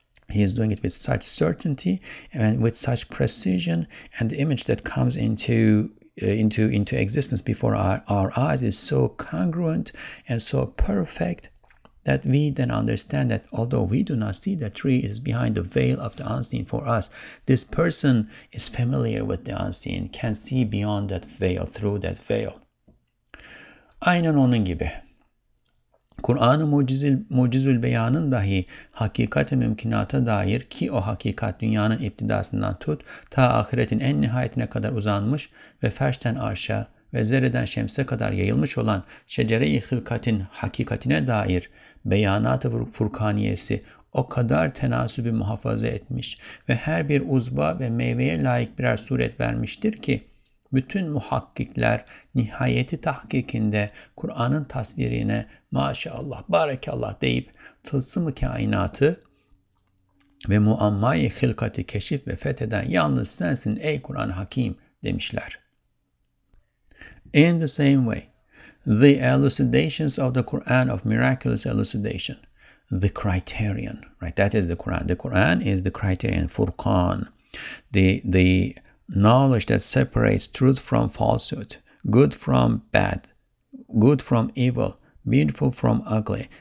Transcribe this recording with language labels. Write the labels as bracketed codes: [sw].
[en] He is doing it with such certainty and with such precision, and the image that comes into existence before our eyes is so congruent and so perfect that we then understand that although we do not see the tree, it is behind the veil of the unseen for us. This person is familiar with the unseen, can see beyond that veil, through that veil. [tr] Aynen onun gibi. Kur'an-ı Mucizül Beyan'ın dahi hakikat-ı mümkünata dair, ki o hakikat dünyanın iptidasından tut, ta ahiretin en nihayetine kadar uzanmış ve ferçten arşa ve zerreden şemse kadar yayılmış olan şecere-i hılkatin hakikatine dair beyanat-ı furkaniyesi o kadar tenasübü muhafaza etmiş ve her bir uzva ve meyveye layık birer suret vermiştir ki, bütün muhakkikler nihayeti tahkikinde Kur'an'ın tasvirine maşallah, barakallah deyip tılsım-ı kainatı ve muammayı hılkati keşif ve fetheden yalnız sensin ey Kur'an-ı Hakim demişler. [en] In the same way, the elucidations of the Quran of miraculous elucidation, the criterion, right? That is the Quran. The Quran is the criterion, Furqan, the knowledge that separates truth from falsehood, good from bad, good from evil, beautiful from ugly.